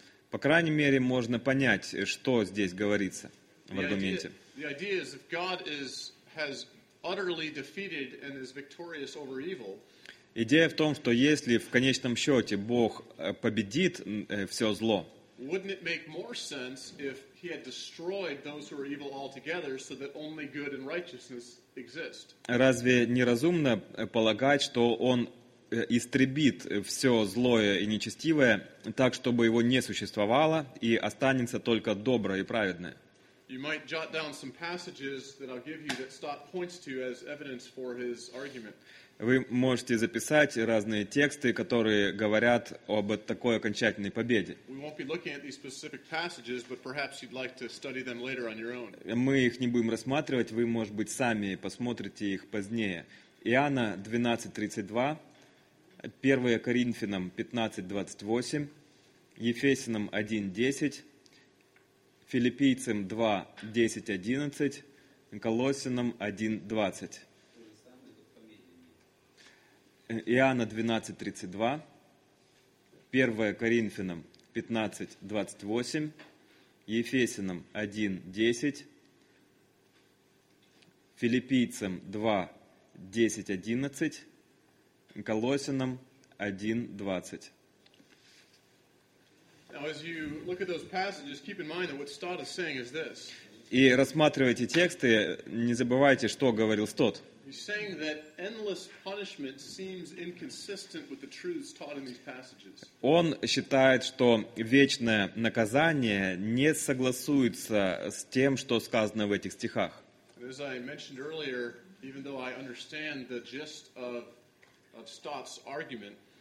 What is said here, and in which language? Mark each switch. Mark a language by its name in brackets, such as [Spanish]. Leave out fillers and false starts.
[Russian] По крайней мере, можно понять, что здесь говорится в аргументе. Идея в том, что если в конечном счете Бог победит все зло, [English] wouldn't it make more sense if he had destroyed those who are evil altogether so that only good and righteousness exist? [Russian] Разве не разумно полагать, что он истребит все злое и нечестивое так, чтобы его не существовало, и останется только доброе и праведное. [English] You might jot down some passages that I'll give you that Stott points to as evidence for his argument. [Russian] Вы можете записать разные тексты, которые говорят об такой окончательной победе. [English] We won't be looking at these specific passages, but perhaps you'd like to study them later on your own. [Russian] Мы их не будем рассматривать, вы, может быть, сами посмотрите их позднее. Иоанна 12:32, 1 Коринфянам 15:28, Ефесянам 1:10. Филиппийцам 2:10-11, Колоссянам 1:20. Иоанна 12:32, 1 Коринфянам 15:28, Ефесянам 1:10, Филиппийцам 2:10-11, Колоссянам 1:20. [English] Now, as you look at those passages, keep in mind that what Stott is saying is this. [Russian] И рассматривая эти тексты, не забывайте, что говорил Стотт. [English] He's saying that endless punishment seems inconsistent with the truths taught in these passages. [Russian] Он считает, что вечное наказание не согласуется с тем, что сказано в этих стихах. [English] And as I mentioned earlier, even though I understand the gist of Stott's argument.